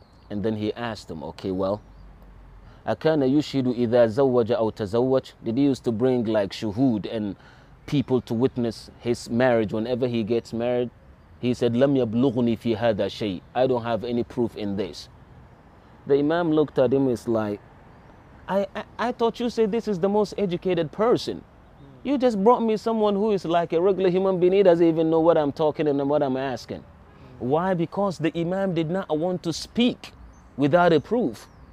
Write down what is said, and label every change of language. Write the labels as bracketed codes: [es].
[en] And then he asked him, okay, well, [ar] أكان يشهد إذا زوج أو تزوج? [en] Did he used to bring like shuhud and people to witness his marriage whenever he gets married? [ar] He said, لم يبلغني في هذا شيء. [en] I don't have any proof in this. The Imam looked at him, is like, I thought you said this is the most educated person. You just brought me someone who is like a regular human being. He doesn't even know what I'm talking and what I'm asking. Why? Because the Imam did not want to speak without a proof.